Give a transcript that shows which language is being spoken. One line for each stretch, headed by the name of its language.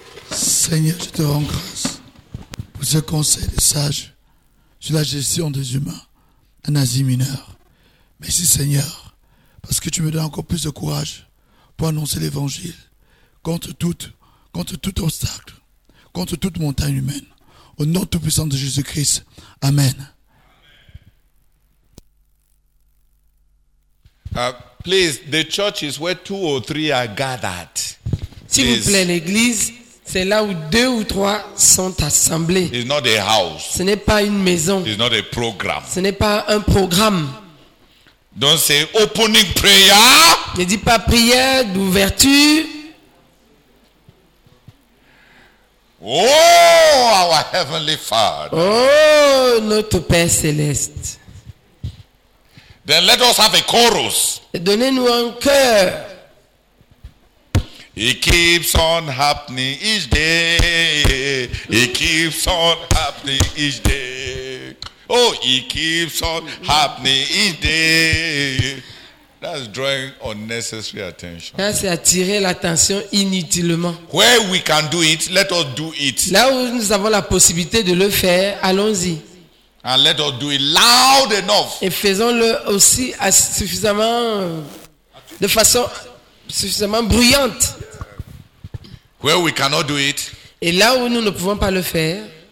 French: Seigneur, je te rends grâce pour ce conseil des sages sur la gestion des humains en Asie mineure. Merci Seigneur, parce que tu me donnes encore plus de courage pour annoncer l'évangile contre tout obstacle, contre toute montagne humaine. Au nom tout puissant de Jésus-Christ, amen.
English: Please, the church is where two or three are gathered.
French: S'il vous plaît, l'église, c'est là où deux ou trois sont assemblés.
English: It's not a house.
French: Ce n'est pas une maison.
English: It's not a program.
French: Ce n'est pas un programme.
English: Don't say opening prayer.
French: Ne dis pas prière d'ouverture.
English: Oh, our heavenly Father.
French: Oh, notre Père céleste.
English: Then let us have a chorus.
French: Donnez-nous un cœur.
English: It keeps on happening each day. It keeps on happening each day. Oh, it keeps on happening each day. That's drawing unnecessary attention.
French: Ça, c'est attirer l'attention inutilement.
English: Where we can do it, let us do it.
French: Là où nous avons la possibilité de le faire, allons-y.
English: And let us do it loud enough.
French: Et faisons-le aussi suffisamment, de façon suffisamment bruyante.
English: Where we cannot do it.
French: Et là où nous ne pouvons pas le faire.